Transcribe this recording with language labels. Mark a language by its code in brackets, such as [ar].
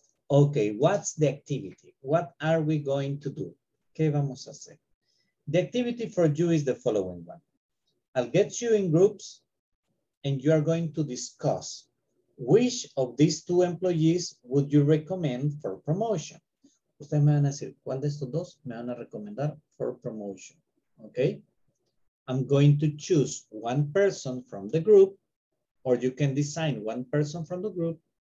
[en] Okay, what's the activity? What are we going to do? [es] ¿Qué vamos a hacer? [en] The activity for you is the following one. I'll get you in groups and you are going to discuss which of these two employees would you recommend for promotion? [es] Ustedes me van a decir, ¿cuál de estos dos me van a recomendar [en] for promotion? Okay. I'm going to choose one person from the group, or you can design one person from the group.